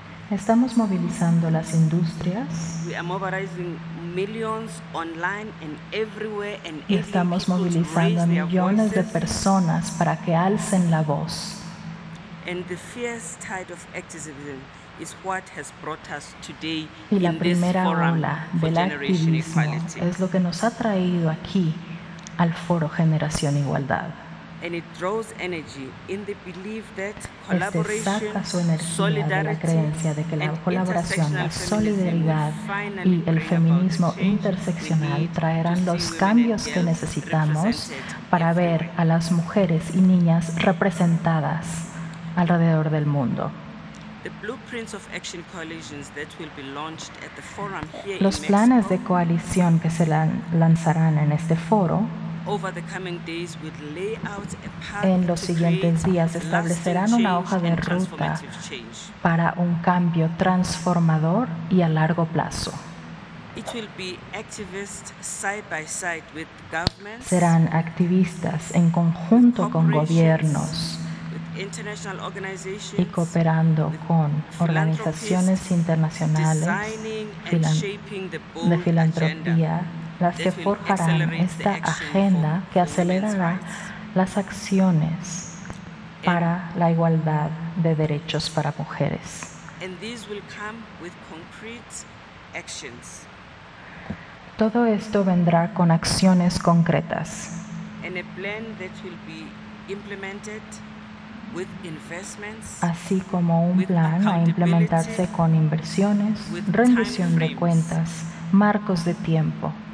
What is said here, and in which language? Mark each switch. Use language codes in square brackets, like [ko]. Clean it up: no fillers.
[es] Estamos movilizando las industrias. [en] We are mobilizing millions online and everywhere and [es] y estamos movilizando a millones de personas para que alcen la voz. [en] And the fierce tide of activism is what has brought us today in this forum [es] Y la primera ola del activismo es lo que nos ha traído aquí al foro Generación Igualdad. [en] And it draws energy in the belief that collaboration, [es] solidarity, la creencia de que la colaboración, la solidaridad y el feminismo interseccional traerán los cambios que necesitamos para ver a las mujeres y niñas representadas alrededor del mundo. [en] The blueprints of action coalitions that will be launched at the forum here in Mexico. [es] Los planes de coalición que se lanzarán en este foro [en] over the coming days will lay out a path [es] en los siguientes días establecerán una hoja de ruta para un cambio transformador y a largo plazo. [en] It will be activists side by side with governments. [es] Serán activistas en conjunto con gobiernos [en] International organizations, [es] y cooperando con organizaciones internacionales de filantropía, las que forjarán esta agenda que acelerará las acciones para la igualdad de derechos para mujeres. [en] And these will come with concrete actions. [es] Todo esto vendrá con acciones concretas. [en] And a plan that will be implemented with investments, [es] así como un plan a implementarse con inversiones, rendición de cuentas, marcos de tiempo.